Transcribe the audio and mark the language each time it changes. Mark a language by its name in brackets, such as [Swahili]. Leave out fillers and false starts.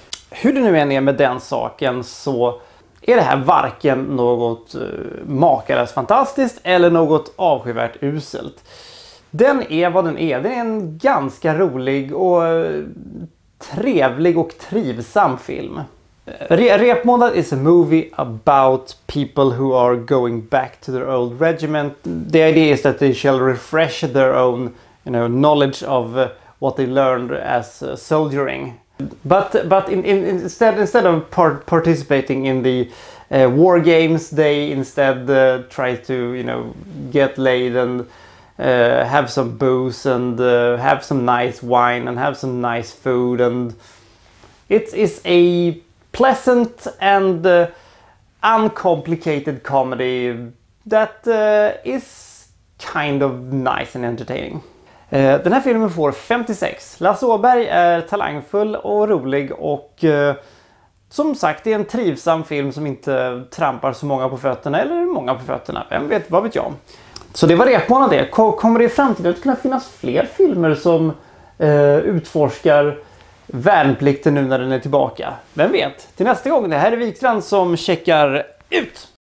[Swedish] Hur du nu än är med den saken så är det här varken något makalöst fantastiskt eller något avskyvärt uselt. Den är vad den är. Den är en ganska rolig och trevlig och trivsam film. [English] Repmånad is a movie about people who are going back to their old regiment. The idea is that they shall refresh their own, you know, knowledge of what they learned as soldiering. But instead of participating in the war games, they instead try to, you know, get laid and have some booze and have some nice wine and have some nice food, and it is a pleasant and uncomplicated comedy that is kind of nice and entertaining. [Swedish] Den här filmen får 56. Lasse Åberg är talangfull och rolig och som sagt, det är en trivsam film som inte trampar så många på fötterna, eller många på fötterna, vem vet, vad vet jag. Så det var repmånad det. Kommer det i framtiden att kunna finnas fler filmer som utforskar värnplikten nu när den är tillbaka? Vem vet? Till nästa gång, det här är Wikstrand som checkar ut!